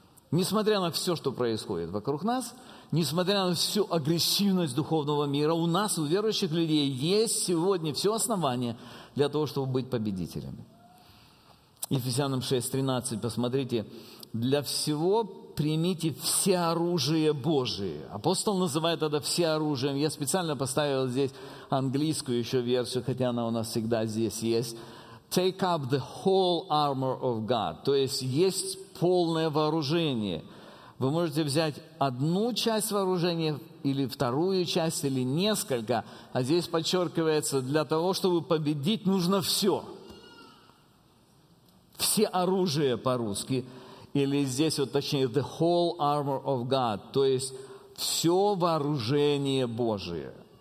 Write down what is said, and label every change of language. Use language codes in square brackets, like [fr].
[ru] Несмотря на все, что происходит вокруг нас, несмотря на всю агрессивность духовного мира, у нас, у верующих людей, есть сегодня все основание для того, чтобы быть победителями. Ефесянам 6:13, посмотрите, для всего примите все оружие Божие. Апостол называет это все оружием. Я специально поставил здесь английскую еще версию, хотя она у нас всегда здесь есть. [en] Take up the whole armor of God. [ru] То есть полное вооружение. Вы можете взять одну часть вооружения или вторую часть, или несколько. А здесь подчеркивается, для того, чтобы победить, нужно все. Все оружие по-русски. Или здесь вот точнее [en] «the whole armor of God», [ru] то есть все вооружение Божие.